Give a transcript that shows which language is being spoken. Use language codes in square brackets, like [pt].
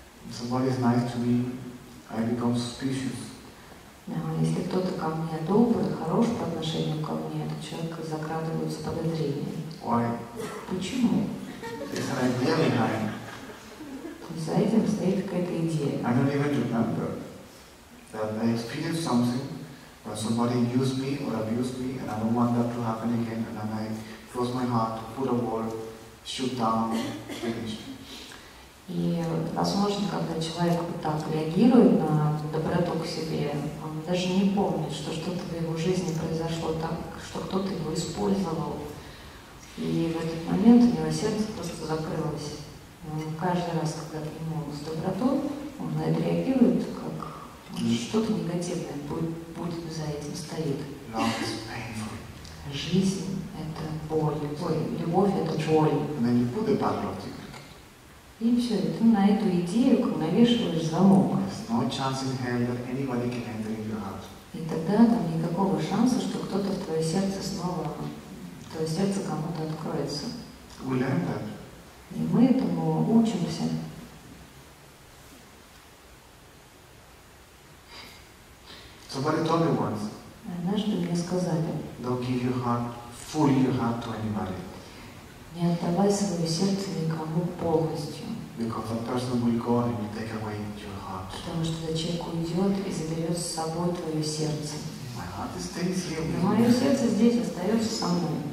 [en] Somebody is nice to me, I become suspicious. [ru] Если кто-то ко мне добрый, хорош по отношению ко мне, то человек закрадывается подозрения. [en] Why? [ru] Почему? [en] It's an idea behind. [ru] То есть за этим стоит какая-то идея. [en] I don't even remember that I experienced something. But somebody used me or abused me, and I don't want that to happen again. And then I close my heart, put a wall, shoot down, finish. [ru] И возможно, когда человек вот так реагирует на доброту к себе, он даже не помнит, что что-то в его жизни произошло так, что кто-то его использовал. И в этот момент у него сердце просто закрылось. И каждый раз, когда к нему с добротой, он на это реагирует, как что-то негативное будет за этим стоит. [en] Love is painful. [ru] Жизнь — это боль. Ой, любовь — это боль. [en] And then you put a bad logic. [ru] И все, ты на эту идею навешиваешь замок. [en] There's no chance in hell that anybody can enter in your heart. [ru] И тогда там никакого шанса, что кто-то в твое сердце снова, твое сердце кому-то откроется. [en] We learn that. [ru] И мы этому учимся. [en] Somebody told me once. [ru] Однажды мне сказали. [en] Don't give your heart, fully your heart to anybody. [ru] Не отдавай свое сердце никому полностью. [en] Because that person will go and will take away your heart. [ru] Потому что этот человек уйдет и заберет с собой твое сердце. [en] My heart stays here. [ru] Мое сердце здесь остается со мной.